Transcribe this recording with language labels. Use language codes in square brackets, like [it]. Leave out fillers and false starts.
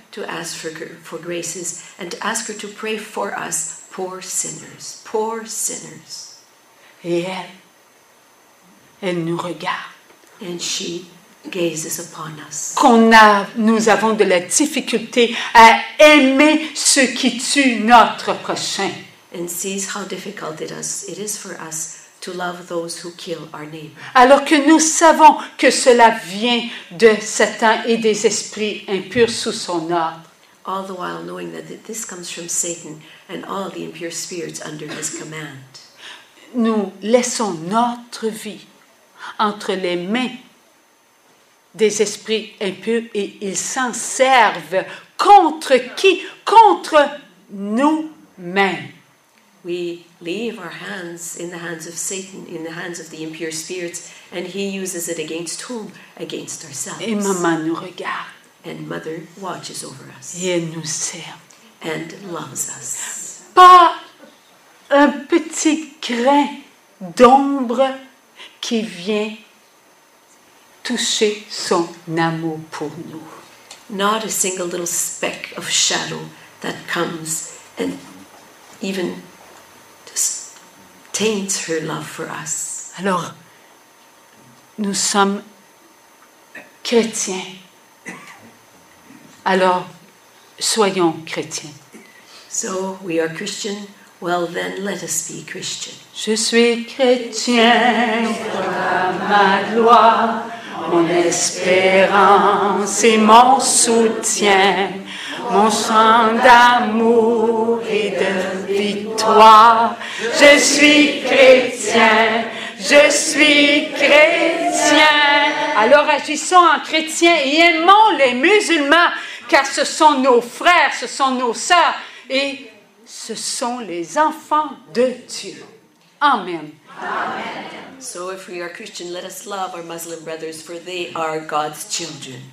[en] To ask for graces and to ask her to pray for us, poor sinners. Poor sinners. [fr] Et elle nous regarde. [en] And she gazes upon us. [fr] Nous avons de la difficulté à aimer ceux qui tuent notre prochain. [en] And sees how difficult it is for us to love those who kill our neighbor. [fr] Alors que nous savons que cela vient de Satan et des esprits impurs sous son ordre. [en] all the while knowing that this comes from Satan and all the impure spirits under his command. [fr] Nous laissons notre vie entre les mains des esprits impurs et ils s'en servent contre qui? Contre nous-mêmes. [en] We leave our hands in the hands of Satan, in the hands of the impure spirits, and he uses it against whom? Against ourselves. [fr] Et maman nous regarde. [en] And mother watches over us. [fr] Et elle nous sert. [en] And loves us. [fr] Pas un petit grain d'ombre qui vient toucher son amour pour nous. [en] Not a single little speck of shadow that comes and even taints her love for us. [fr] Alors, nous sommes chrétiens. Alors, soyons chrétiens. [en] So, we are Christian. Well, then, let us be Christian. [fr] Je suis chrétien pour ma gloire, mon espérance et mon soutien, mon chant d'amour et de victoire. Je suis chrétien, je suis chrétien. Alors agissons en chrétien et aimons les musulmans, car ce sont nos frères, ce sont nos sœurs et ce sont les enfants de Dieu. Amen. Amen. [en] So if we are Christian, let us love our Muslim brothers, for they are God's children.